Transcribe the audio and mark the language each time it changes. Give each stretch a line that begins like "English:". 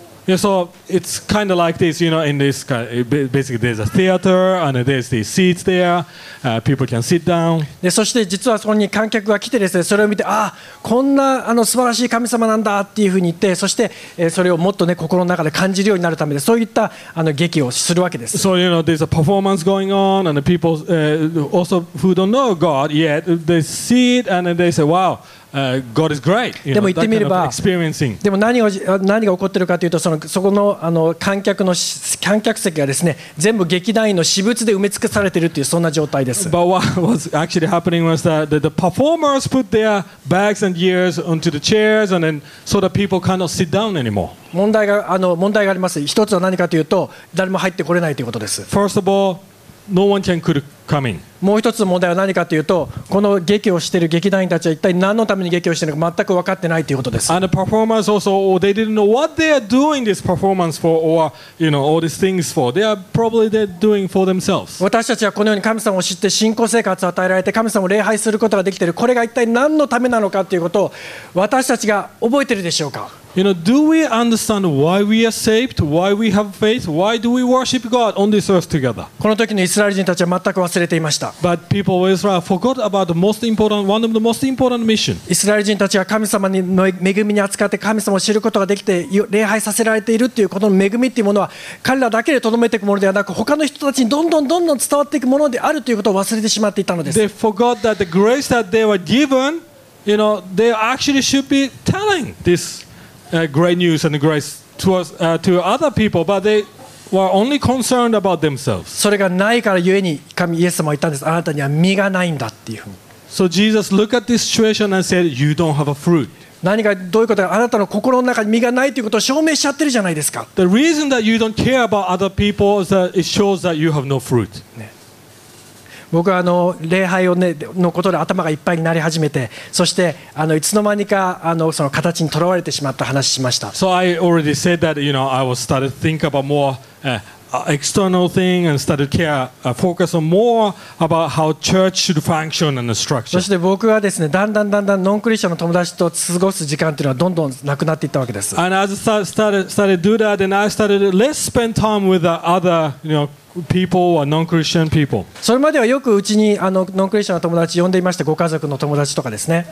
English: Yeah, so it's kind of like this, you know, in this kind of, basically there's a theater and there's the seats there, people can sit down.
Japanese: で、そして実はそこに観客が来てですね、それを見て、ああ、こんなあの素晴らしい神様なんだっていうふうに言って、そして、それをもっとね、心の中で感じるようになるためで、そういったあの劇をするわけです。
English: So, you know, there's a performance going on and the people, also who don't know God yet, they see it and they say, wow. God is great. You know,
Japanese: でも言ってみれば、
English: kind of experiencing.
Japanese: でも何が起こってるかというと、そこの観客席がですね、全部劇団員の私物で埋め尽くされているというそんな状態です。
English: But what was actually happening was that the performers put their bags and gears onto the chairs, and then so that people cannot sit down anymore.
Japanese: 問題があります。一つは何かというと、誰も入ってこれないということです。
English: First of all,No one can could come in.
Japanese: もう一つの問題は何かというと、この劇をしている劇団員たちは一体何のために劇をしているのか全く分かってないということです。
English: And the performers also, they didn't know what they are doing this performance for, or you know, all these things for. They are probably they're doing for themselves.
Japanese: 私たちはこのように神様を知って信仰生活を与えられて神様を礼拝することができている。これが一体何のためなのかということを私たちが覚えているでしょうか。
English: You know, do we understand why we are saved, why we have faith, why do we worship God on this earth together?
Japanese: この時のイスラエル人たちは全く忘れていました。
English: But people of Israel forgot about the most important, one of the most important mission.
Japanese: イスラエル人たちは神様の恵みに扱って神様を知ることができて礼拝させられているっていうこの恵みっていうものは彼らだけでとどめていくものではなく他の人たちにどんどんどんどん伝わっていくものであるということを忘れてしまっていたのです。
English: They forgot that the grace that they were given, you know, they actually should be telling this. Great news and grace to other people, but they were only concerned about themselves.
Japanese: それがないからゆえに神イエス様は言ったんです。あなたには実がないんだっていう。
English: So Jesus looked at this situation and said, "You don't have a fruit."
Japanese: 何がどういうことか、あなたの心の中に身がないということを証明しちゃってるじゃないですか。
English: The reason that you don't care about other people is that it shows that you have no fruit.、ね、
Japanese: 僕はあの礼拝を、ね、のことで頭がいっぱいになり始めて、そしてあのいつの間にかあのその形にとらわれてしまった話しました。
English: So I already said that, you know, I was started to think about more、external thing and started to care、focus on more about how church should function and the structure.
Japanese: そして僕はですね、だんだんだんだんノンクリスチャンの友達と過ごす時間というのはどんどんなくなっていったわけです。
English: And as I started to do that, then I started to less spend time with the other, you know,People or non-Christian people.
Japanese: それまではよくうちにあのノンクリスチャンの友達呼んでいました。ご家族の友達とかですね。